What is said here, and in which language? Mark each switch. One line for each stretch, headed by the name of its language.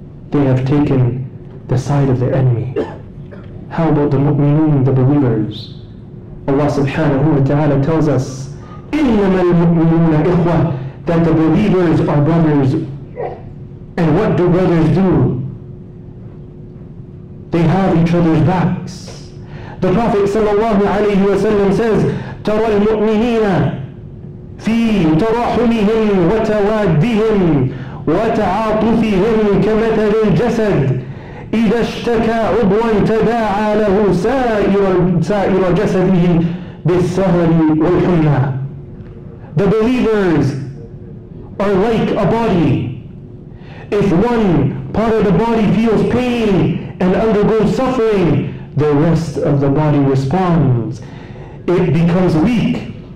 English: They have taken the side of their enemy. How about the mu'minun, the believers? Allah subhanahu wa ta'ala tells us,
Arabic: إِنَّمَا الْمُؤْمِنُونَ إِخْوَةً,
English: that the believers are brothers. And what do brothers do? They have each other's backs. The Prophet sallallahu alayhi wa sallam says,
Arabic: تَرَى الْمُؤْمِنِينَ فِي تَرَحُمِهِمْ وَتَوَادِّهِمْ وَتَعَاطُفِهِمْ كَمَثَلِ الْجَسَدِ إِذَا اشْتَكَى عُضْوًا تَدَاعَى لَهُ سَائِرَ جَسَدِهِ بِالسَّهَرِ وَالْحُمَّى.
English: The believers are like a body. If one part of the body feels pain and undergoes suffering, the rest of the body responds. It becomes weak.